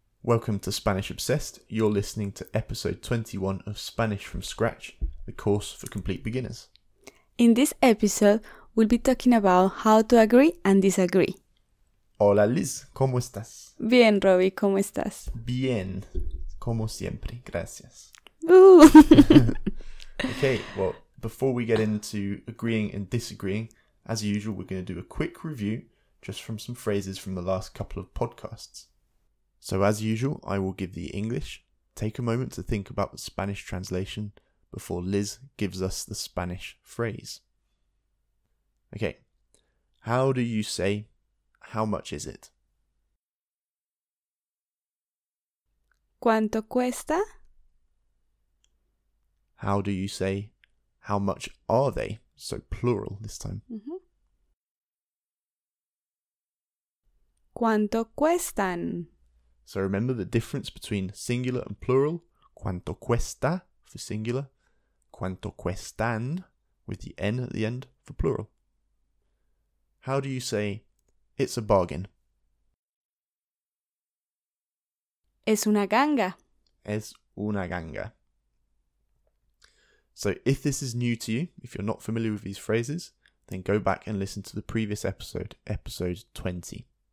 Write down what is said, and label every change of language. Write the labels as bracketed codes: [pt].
[en] Welcome to Spanish Obsessed. You're listening to episode 21 of Spanish from Scratch, the course for complete beginners. In this episode, we'll be talking about how to agree and disagree. [es] Hola Liz, ¿cómo estás? Bien, Robbie, ¿cómo estás? Bien, como siempre, gracias. Ooh. [en] Okay, well, before we get into agreeing and disagreeing, as usual, we're going to do a quick review just from some phrases from the last couple of podcasts. So as usual, I will give the English. Take a moment to think about the Spanish translation before Liz gives us the Spanish phrase. Okay, how do you say, how much is it? [es] ¿Cuánto cuesta? [en] How do you say, how much are they? So plural this time. Mm-hmm. [es] ¿Cuánto cuestan? [en] So remember the difference between singular and plural. [es] ¿Cuánto cuesta [en] for singular? [es] ¿Cuánto cuestan [en] with the N at the end for plural? How do you say, it's a bargain? [es] Es una ganga. Es una ganga. [en] So if this is new to you, if you're not familiar with these phrases, then go back and listen to the previous episode, episode 20.